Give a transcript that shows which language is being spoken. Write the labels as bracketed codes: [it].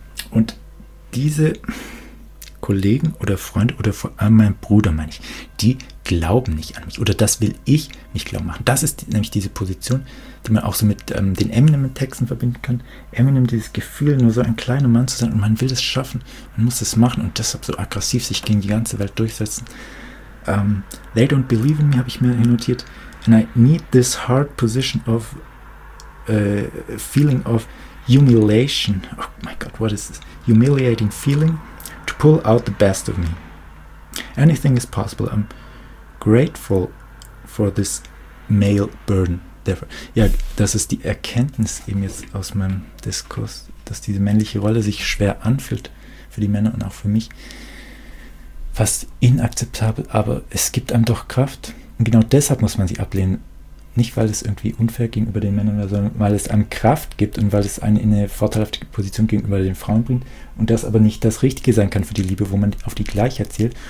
[de] Und diese Kollegen oder Freunde oder vor allem mein Bruder, meine ich, die glauben nicht an mich oder das will ich nicht glauben machen. Das ist nämlich diese Position, die man auch so mit den Eminem-Texten verbinden kann. Eminem, dieses Gefühl, nur so ein kleiner Mann zu sein und man will es schaffen, man muss es machen und deshalb so aggressiv sich gegen die ganze Welt durchsetzen. [en] They don't believe in me, habe ich mir notiert. And I need this hard position of feeling of humiliation. Oh my God, what is this? Humiliating feeling? Pull out the best of me. Anything is possible. I'm grateful for this male burden. Therefore. [de] Ja, das ist die Erkenntnis eben jetzt aus meinem Diskurs, dass diese männliche Rolle sich schwer anfühlt für die Männer und auch für mich. Fast inakzeptabel, aber es gibt einem doch Kraft. Und genau deshalb muss man sie ablehnen. nicht weil es irgendwie unfair gegenüber den Männern war, sondern weil es einem Kraft gibt und weil es einen in eine vorteilhafte Position gegenüber den Frauen bringt und das aber nicht das Richtige sein kann für die Liebe, wo man auf die Gleichheit zählt.